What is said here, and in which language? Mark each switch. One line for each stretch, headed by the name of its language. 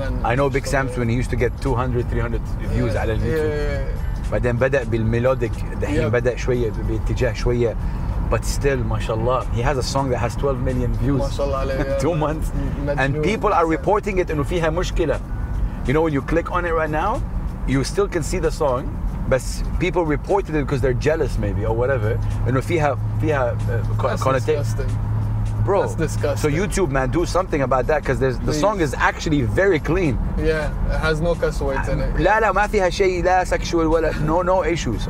English: I know Big Sam's when he used to get 200, 300 views on YouTube. But then
Arabic: بدأ بالmelodic. دحين بدأ شوية باتجاه شوية.
English: But still, mashallah, he has a song that has 12 million views in 2 months. And people are reporting it.
Arabic: إنه فيها مشكلة.
English: You know, when you click on it right now, you still can see the song, but people reported it because they're jealous, maybe, or whatever. And fiha that's disgusting. bro. That's disgusting. So YouTube, man, do something about that, because the Please. Song is actually very clean. Yeah, it has no cuss words in it.
Arabic: لا لا ما فيها شيء لا sexual ولا
English: no no issues.